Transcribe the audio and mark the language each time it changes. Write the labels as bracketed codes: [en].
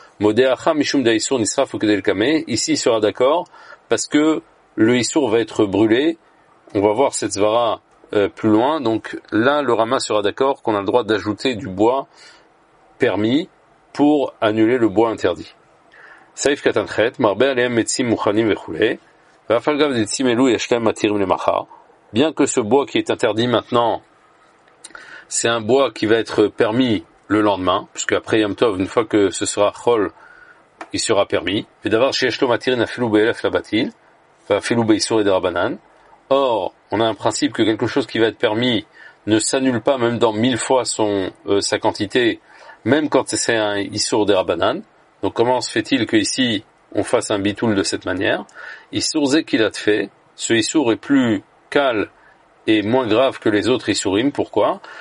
[he] Modéacha Mishum Da Isur Nisraf Ukedel Kame. [fr] Ici, il sera d'accord parce que le Isur va être brûlé. On va voir cette Svara plus loin. Donc là, le Rama sera d'accord qu'on a le droit d'ajouter du bois permis pour annuler le bois interdit. [he] סעיף קטן חט, מרבה עליהם עצים מוכנים וכו'. ואף על גב עצים אלו יש להם מתירים למחר. [fr] Bien que ce bois qui est interdit maintenant, c'est un bois qui va être permis le lendemain, puisque après Yom Tov, une fois que ce sera chol, il sera permis. [he] ודבר שיש לו מתירים אפילו באלף לבטיל, ואפילו באיסורי דרבנן. [fr] Or, on a un principe que quelque chose qui va être permis ne s'annule pas même dans mille fois son sa quantité, même quand c'est un issur dérabanan. Donc comment se fait-il que ici on fasse un bitoul de cette manière? Issour zé qu'il a de fait, ce issour est plus calme et moins grave que les autres issourim. Pourquoi?